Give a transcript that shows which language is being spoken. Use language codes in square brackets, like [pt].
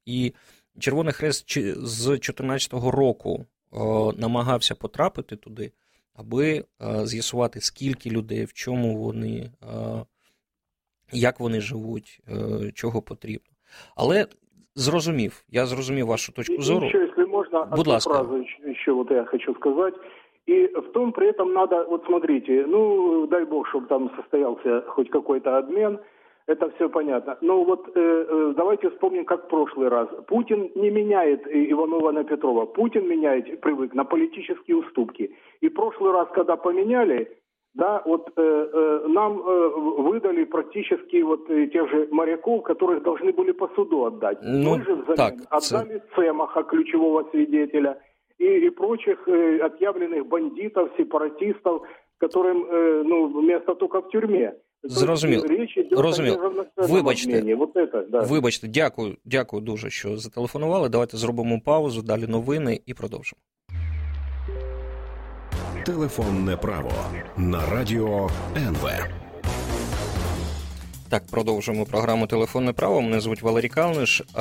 [uk] І Червоний Хрест з 2014 року намагався потрапити туди, аби з'ясувати, скільки людей, в чому вони, як вони живуть, чого потрібно. Але зрозумів. Я зрозумів вашу точку зору. Ще, якщо можна, будь ласка. Ще от я хочу сказати. [ru] И в том при этом надо, вот смотрите, ну, дай бог, чтобы там состоялся хоть какой-то обмен, это все понятно. Но вот давайте вспомним, как в прошлый раз. Путин не меняет Иванова на Петрова, Путин меняет, привык, на политические уступки. И в прошлый раз, когда поменяли, да, вот нам выдали практически вот тех же моряков, которых должны были по суду отдать. Ну, мы же взамен так, отдали Цемаха, ключевого свидетеля, и прочих отъявленных бандитов, сепаратистов, которым ну, место только в тюрьме. [uk] Зрозумів. [ru] То есть, речь идет [uk] зрозумів. [ru] О неравностойном [uk] вибачте. [ru] Обмене. Вот это, да. [uk] Вибачте, дякую, дякую дуже, що зателефонували. Давайте зробимо паузу, далі новини і продовжимо. Телефонне право на радіо НВ. Так, продовжуємо програму «Телефонне право». Мене звуть Валерій Калниш.